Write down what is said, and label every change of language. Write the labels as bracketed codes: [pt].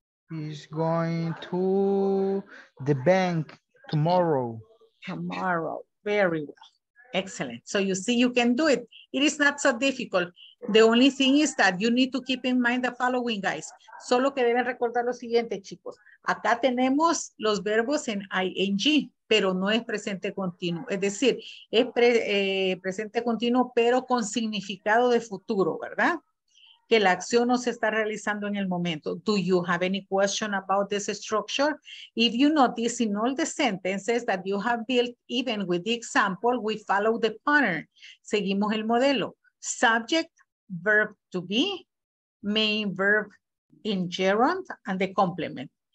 [en] Is going to the bank tomorrow. Tomorrow, very well. Excellent. So you see, you can do it. It is not so difficult. The only thing is that you need to keep in mind the following, guys. [es] Solo que deben recordar lo siguiente, chicos. Acá tenemos los verbos en ing, pero no es presente continuo. Es decir, es presente continuo, pero con significado de futuro, ¿verdad? Que la acción no se está realizando en el momento. [en] Do you have any question about this structure? If you notice in all the sentences that you have built, even with the example, we follow the pattern. [es] Seguimos el modelo. [en] Subject, verb to be, main verb in gerund, and the complement.